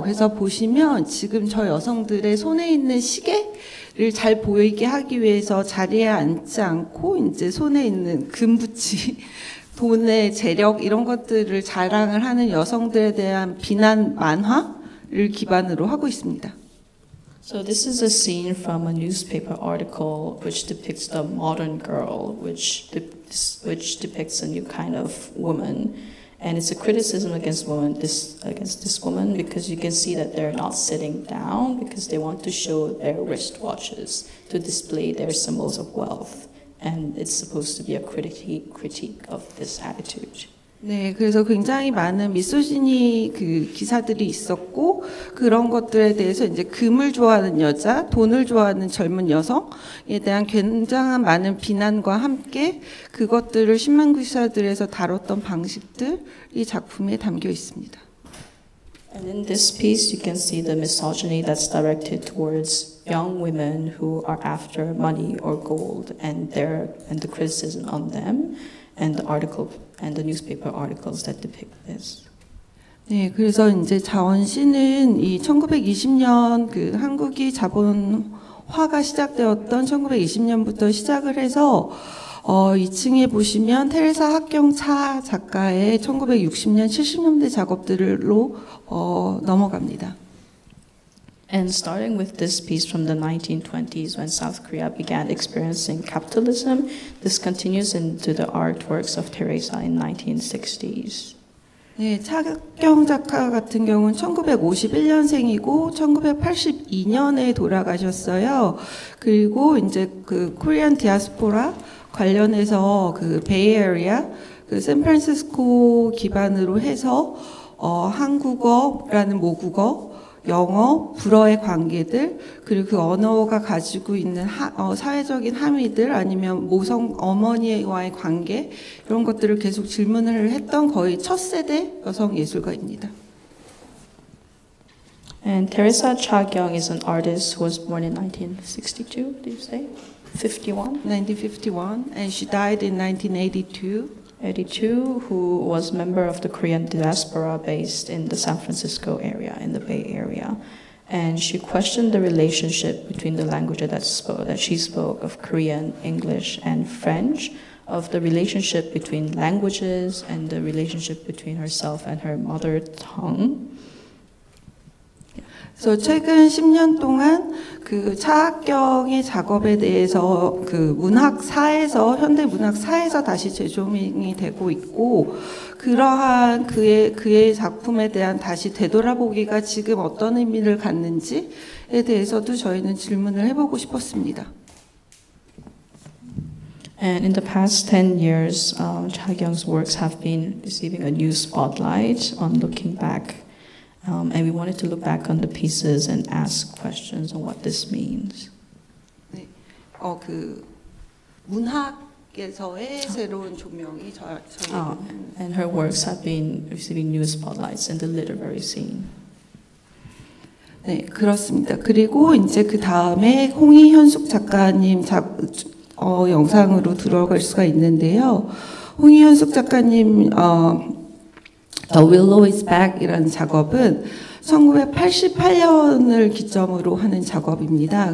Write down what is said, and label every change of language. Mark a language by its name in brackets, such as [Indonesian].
[Korean] 그래서 보시면 지금 저 여성들의 손에 있는 시계를 잘 보이게 하기 위해서 자리에 앉지 않고 이제 손에 있는 금붙이, 돈의 재력 이런 것들을 자랑을 하는 여성들에 대한 비난 만화를 기반으로 하고 있습니다. [English] So this is a scene from a newspaper article which depicts the modern girl, which depicts a new kind of woman. And it's a criticism against this woman because you can see that they're not sitting down because they want to show their wristwatches to display their symbols of wealth. And it's supposed to be a critique of this attitude. [Korean] 네, 그래서 굉장히 많은 미소지니 그 기사들이 있었고 그런 것들에 대해서 이제 금을 좋아하는 여자, 돈을 좋아하는 젊은 여성에 대한 굉장한 많은 비난과 함께 그것들을 신문 기사들에서 다뤘던 방식들이 작품에 담겨 있습니다. [English] And in this piece, you can see the misogyny that's directed towards young women who are after money or gold, and the criticism on them. And the article and the newspaper articles that depict this. [Korean] 네, 그래서 이제 자원 씨는 이 1920년 그 한국이 자본화가 시작되었던 1920년부터 시작을 해서 2층에 보시면 테레사 학경 차 작가의 1960년, 70년대 작업들로 넘어갑니다. [English] And starting with this piece from the 1920s when South Korea began experiencing capitalism, this continues into the artworks of Teresa in 1960s. [Korean] 네, 차경 작가 같은 경우는 1951년생이고 1982년에 돌아가셨어요. 그리고 이제 그 코리안 디아스포라 관련해서 그 베이 에리아, 그 샌프란시스코 기반으로 해서 한국어라는 모국어 영어, 불어의 관계들, 그리고 그 언어가 가지고 있는 사회적인 함의들, 아니면 모성 어머니와의 관계, 이런 것들을 계속 질문을 했던 거의 첫 세대 여성 예술가입니다. [English] And Teresa Chagyeong is an artist who was born in 1962, did you say? 1951. And she died in 1982, who was a member of the Korean diaspora based in the San Francisco area, in the Bay Area. And she questioned the relationship between the languages that she spoke of Korean, English, and French, of the relationship between languages and the relationship between herself and her mother tongue. So [Korean] 최근 10년 동안 그 차학경의 작업에 대해서 그 문학사에서 현대 문학사에서 다시 재조명이 되고 있고 그러한 그의 작품에 대한 다시 되돌아보기가 지금 어떤 의미를 갖는지에 대해서도 저희는 질문을 해보고 싶었습니다. [English] And in the past 10 years, Chagyeong's works have been receiving a new spotlight on looking back. And we wanted to look back on the pieces and ask questions on what this means. [Korean] 네, 그 문학에서의 새로운 조명이 [English] And her works have been receiving new spotlights in the literary scene. [Korean] 네, 그렇습니다. 그리고 이제 그 다음에 홍희현숙 작가님 영상으로 들어갈 수가 있는데요. 홍희현숙 작가님 The Willow is Back이라는 작업은 1988년을 기점으로 하는 작업입니다.